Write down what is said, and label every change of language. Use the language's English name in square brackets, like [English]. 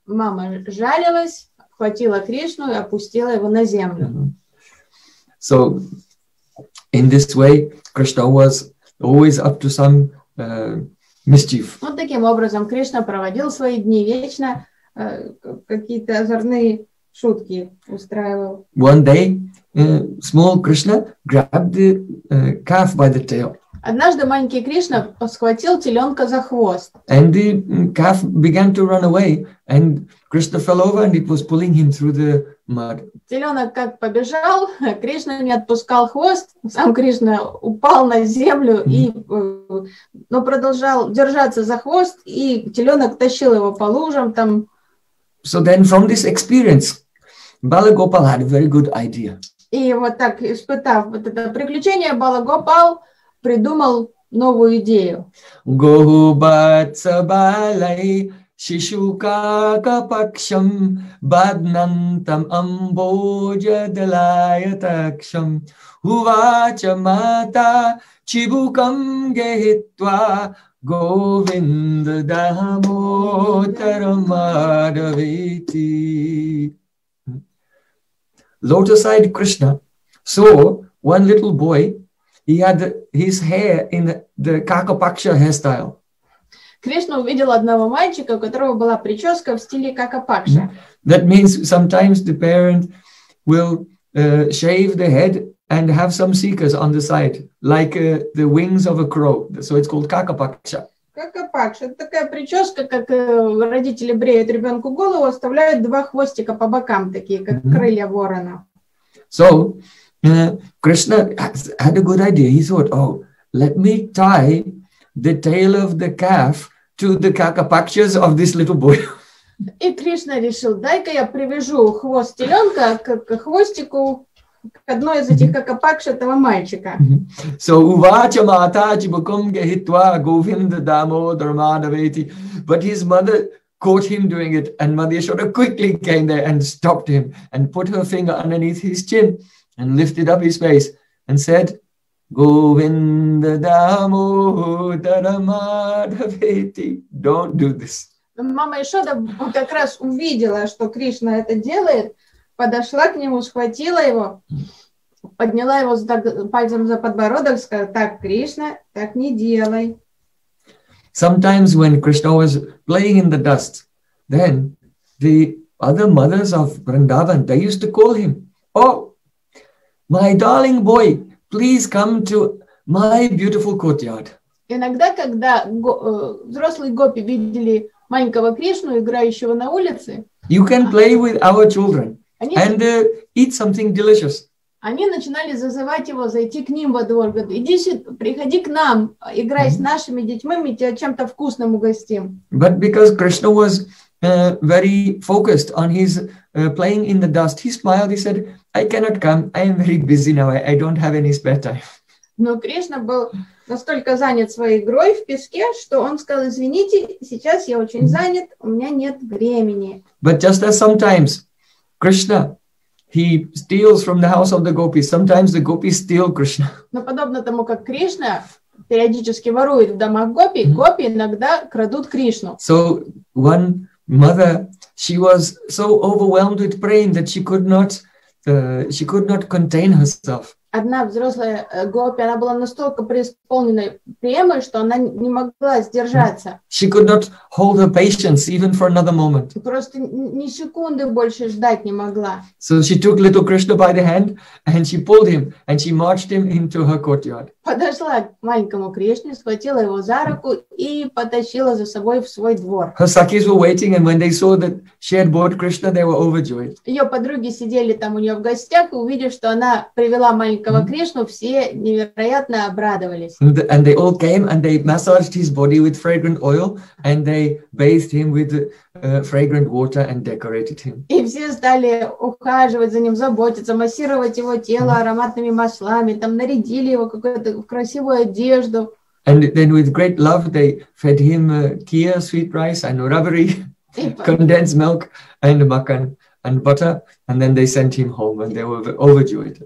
[Russian] Мама жалилась, хватила Кришну и опустила его на землю. [English] Mm-hmm. So in this way, Krishna was always up to some mischief. [Russian] Вот таким образом Кришна проводил свои дни вечно, какие-то озорные шутки устраивал. [English] One day, small Krishna grabbed the calf by the tail. [Russian] Однажды маленький Кришна схватил теленка за хвост. [English] And the calf began to run away, and Krishna fell over, and it was pulling him through the mud. [Russian] Теленок как побежал, Кришна не отпускал хвост, сам Кришна упал на землю и, но продолжал держаться за хвост, и теленок тащил его по лужам там. [English] So then, from this experience, Бала Гопал had a very good idea. [Russian] И вот так, испытав вот это приключение, Бала Гопал придумал новую идею. [Sanskrit] Гоху батса балай шишука капаксам баднантам амбоджа далая таксам увача мата чибукам гехитва говинда дамотарамадавити. [English] Lotus-eyed Krishna saw one little boy. He had his hair in the Kakapaksha hairstyle. [Russian] Кришна увидел одного мальчика, у которого была прическа в стиле Kakapaksha. [English] That means sometimes the parent will shave the head and have some seekers on the side, like the wings of a crow. So it's called Kakapaksha. [Russian] Kakapaksha — это такая прическа, как родители бреют ребенку голову, оставляют два хвостика по бокам, такие как крылья ворона. [English] So Krishna had a good idea. He thought, oh, let me tie the tail of the calf to the kakapakshas of this little boy. [Russian] И Кришна решил, дай-ка я привяжу хвост теленка к хвостику к одной из этих какапакш этого мальчика. [Sanskrit] So uvacha mata chibukam gehitva govinda damo dharmadaveti. [English] But his mother caught him doing it, and Mother Yashoda quickly came there and stopped him and put her finger underneath his chin and lifted up his face and said, [Sanskrit] Govinda Damo Dharmadaveti, [English] don't do this. [Russian] Мама Ишода как раз увидела, что Кришна это делает, подошла к нему, схватила его, подняла его пальцем за подбородок, сказала, так, Кришна, так не делай. [English] Sometimes when Krishna was playing in the dust, then the other mothers of Vrindavan, they used to call him, oh, my darling boy, please come to my beautiful courtyard. [Russian] Иногда, когда взрослые гопи видели маленького Кришну, играющего на улице, [English] you can play with our children and eat something delicious. [Russian] Они начинали зазывать его зайти к ним во двор. Говорят, иди сюда, приходи к нам, играй с нашими детьми, мы тебя чем-то вкусным угостим. [English] But because Krishna was very focused on his playing in the dust, he smiled, he said, I cannot come, I am very busy now, I don't have any spare time. [Russian] Но Кришна был настолько занят своей игрой в песке, что он сказал, извините, сейчас я очень занят, у меня нет времени. [English] But just as sometimes Krishna, he steals from the house of the gopis, sometimes the gopis steal Krishna. [Russian] Но подобно тому, как Кришна периодически ворует в домах гопи, гопи иногда крадут Кришну. [English] So one mother, she was so overwhelmed with praying that she could not contain herself. [Russian] Одна взрослая гопи, она была настолько преисполнена премой, что она не могла сдержаться. [English] She could not hold her patience even for another moment. [Russian] Просто ни секунды больше ждать не могла. [English] So she took little Krishna by the hand and she pulled him and she marched him into her courtyard. [Russian] Подошла к маленькому Кришне, схватила его за руку и потащила за собой в свой двор. [English] Her sakis were waiting and when they saw that she had brought Krishna, they were overjoyed. [Russian] Ее подруги сидели там у нее в гостях и увидели, что она привела маленького Кришну, все невероятно обрадовались. [English] And they all came and they massaged his body with fragrant oil and they bathed him with fragrant water and decorated him. [Russian] И все стали ухаживать за ним, заботиться, массировать его тело ароматными маслами, там нарядили его какую-то красивую одежду. [English] And then with great love they fed him kheer, sweet rice and rubbery, condensed milk and makan. And butter, and then they sent him home, and they were overjoyed.